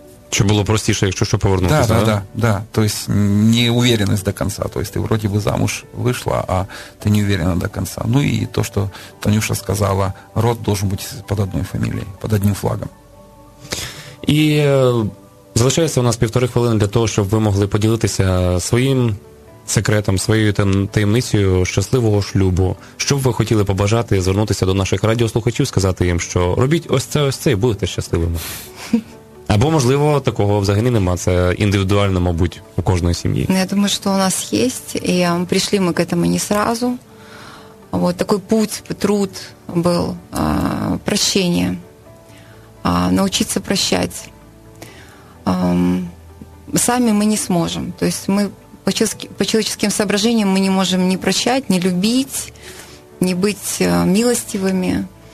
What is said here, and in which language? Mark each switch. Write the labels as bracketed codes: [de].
[ru] Что было простейшее, если что повернуться? Да, да, да, да. То есть неуверенность до конца. То есть ты вроде бы замуж вышла, а ты не уверена до конца. Ну и то, что Танюша сказала, род должен быть под одной фамилией, под одним флагом. [uk] И залишається у нас півтори хвилини для того, щоб ви могли поділитися своїм секретом, своєю таємницею щасливого шлюбу. Що б ви хотіли побажати, звернутися до наших радіослухачів, сказати їм, що робіть ось це і будете щасливими. Або, можливо, такого взагалі нема. Це індивідуально, мабуть, у кожної сім'ї. Я думаю, що у нас є, і прийшли ми к этому не сразу. [ru] Вот такой путь, труд был, прощение, научиться прощать. Сами мы не сможем. То есть мы по человеческим соображениям мы не можем ни прощать, ни любить, ни быть милостивыми.